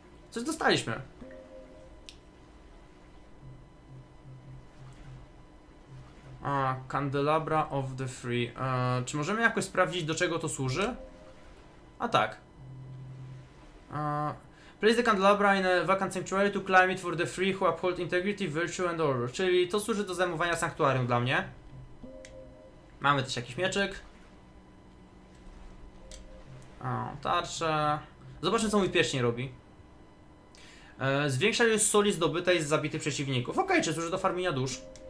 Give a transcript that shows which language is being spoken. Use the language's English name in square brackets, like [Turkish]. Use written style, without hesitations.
[Polish] Coś dostaliśmy. A, Candelabra of the Free. Czy możemy jakoś sprawdzić, do czego to służy? A tak. [English] Place the Candelabra in a vacant sanctuary to climb it for the free who uphold integrity, virtue and order. [Polish] Czyli to służy do zajmowania sanktuarium dla mnie. Mamy też jakiś mieczyk. Tarczę. Zobaczmy, co mój pierścień robi. Zwiększa ilość soli zdobytej z zabitych przeciwników. Okej, czy służy do farmienia dusz.